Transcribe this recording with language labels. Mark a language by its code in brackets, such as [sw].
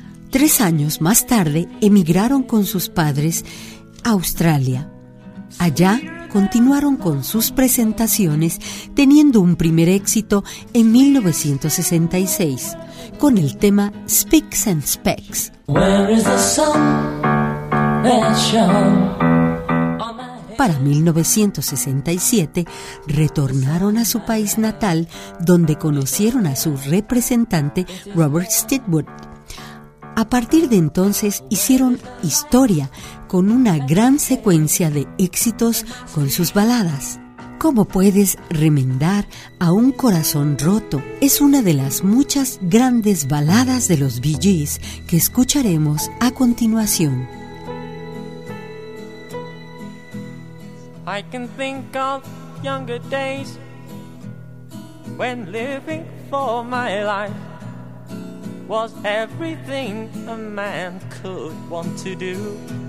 [es] 3 años más tarde, emigraron con sus padres a Australia. Allá, continuaron con sus presentaciones, teniendo un primer éxito en 1966, con el tema Spicks and Specks. [en] Where is the sun that shone? [es] Para 1967, retornaron a su país natal, donde conocieron a su representante Robert Stigwood. A partir de entonces, hicieron historia con una gran secuencia de éxitos con sus baladas. ¿Cómo puedes remendar a un corazón roto? Es una de las muchas grandes baladas de los Bee Gees que escucharemos a continuación. [en] I can think of younger days when living for my life was everything a man could want to do.